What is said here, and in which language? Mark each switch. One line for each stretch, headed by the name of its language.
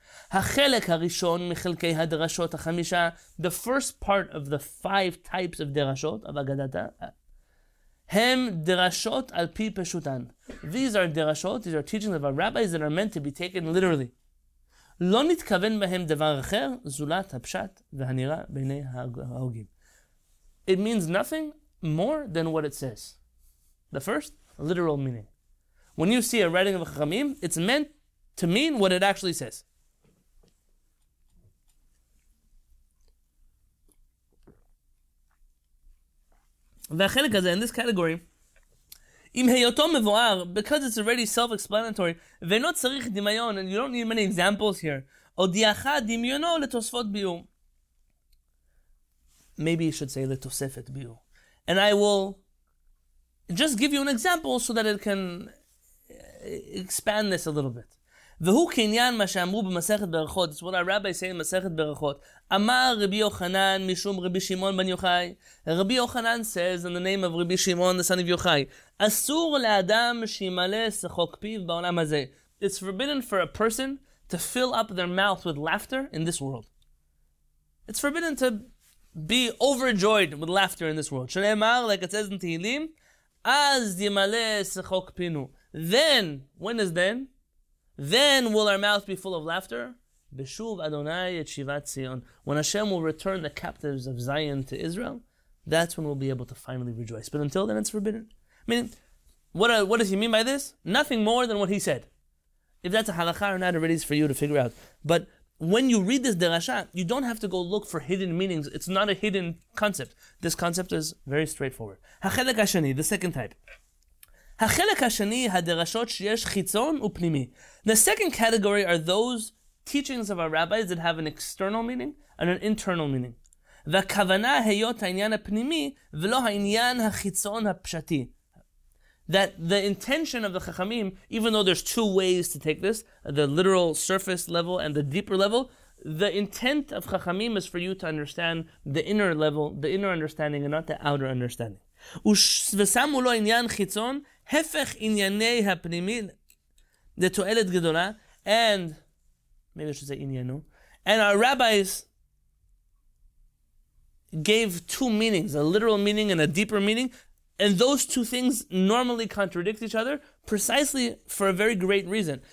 Hebrew: החלק הראשון מחלקי הדרשות החמישה,
English: the first part of the 5 types of
Hebrew: דרשות, of אגדתה, הם דרשות על פי פשוטן.
English: These are דרשות, these are teachings of our rabbis that are meant to be taken literally.
Hebrew: לא נתכוון בהם דבר אחר, זולת הפשט והנראה בעיני ההוגים.
English: It means nothing more than what it says. The first, literal meaning. When you see a writing of a chachamim, it's meant to mean what it actually says.
Hebrew: והחלק הזה,
English: in this category,
Hebrew: אם היותו מבואר,
English: because it's already self-explanatory,
Hebrew: ואינו צריך דמיון,
English: and you don't need many examples here,
Hebrew: הודיעך דמיונו לתוספות ביום.
English: Maybe you should say
Hebrew: לתוספת ביום.
English: And I will just give you an example so that it can expand this a little bit.
Hebrew: והוא כעניין מה שאמרו במסכת ברכות,
English: it's what our rabbi say in
Hebrew: מסכת ברכות, אמר רבי יוחנן משום רבי שמעון בן יוחאי, רבי יוחנן
English: says in the name of
Hebrew: רבי שמעון, the son of יוחאי, אסור לאדם שימלא שחוק פיו בעולם הזה.
English: It's forbidden for a person to fill up their mouth with laughter in this world. It's forbidden to be overjoyed with laughter in this world.
Hebrew: שנאמר,
English: like it says in Tehillim,
Hebrew: אז ימלא שחוק פינו.
English: Then, when is then? Then will our mouth be full of laughter?
Hebrew: B'shuv Adonai et Shivat Zion.
English: When Hashem will return the captives of Zion to Israel, that's when we'll be able to finally rejoice. But until then, it's forbidden. I mean, what does he mean by this? Nothing more than what he said. If that's a halakha or not, already is for you to figure out. But when you read this derasha, you don't have to go look for hidden meanings. It's not a hidden concept. This concept is very straightforward. Hachelek Hashani, the second type.
Hebrew: החלק השני, הדרשות שיש חיצון ופנימי.
English: The second category are those teachings of our rabbis that have an external meaning and an internal meaning.
Hebrew: והכוונה היות העניין הפנימי ולא העניין החיצון הפשטי.
English: That the intention of the Chachamim, even though there's two ways to take this, the literal surface level and the deeper level, the intent of Chachamim is for you to understand the inner level, the inner understanding and not the outer understanding.
Hebrew: ושמו לו עניין חיצון, הפך ענייני הפנימי לתועלת גדולה,
English: and, maybe I should say
Hebrew: עניינו,
English: and our rabbis gave two meanings, a literal meaning and a deeper meaning, and those two things normally contradict each other, precisely for a very great reason.